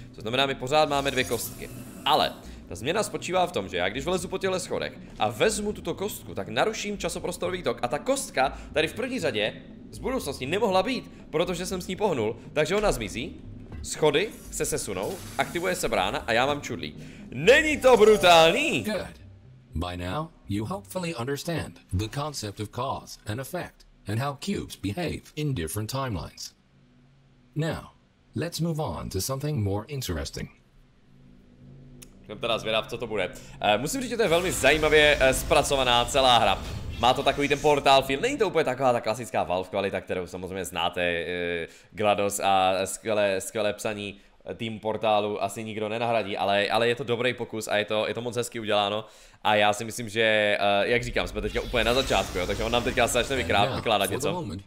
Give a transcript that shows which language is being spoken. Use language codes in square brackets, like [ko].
[cs] To znamená, my pořád máme dvě kostky. Ale ta změna spočívá v tom, že já když vlezu po těchto schodech a vezmu tuto kostku, tak naruším časoprostorový tok a ta kostka tady v první řadě z budoucnosti nemohla být, protože jsem s ní pohnul, takže ona zmizí, schody se sesunou, aktivuje se brána a já mám čudlí. Není to brutální? [en] Good. By now, you hopefully understand the concept of cause and effect and how cubes behave in different timelines. Now, let's move on to something more interesting. [cs] Jsem teda zvědav, co to bude. Musím říct, že to je velmi zajímavě zpracovaná celá hra. Má to takový ten portál feel, není to úplně taková ta klasická Valve kvalita, kterou samozřejmě znáte, GLaDOS a skvělé psaní tým portálu asi nikdo nenahradí, ale je to dobrý pokus a je to moc hezky uděláno a já si myslím, že, jak říkám, jsme teďka úplně na začátku, jo, takže on nám teďka se začne vykládat něco.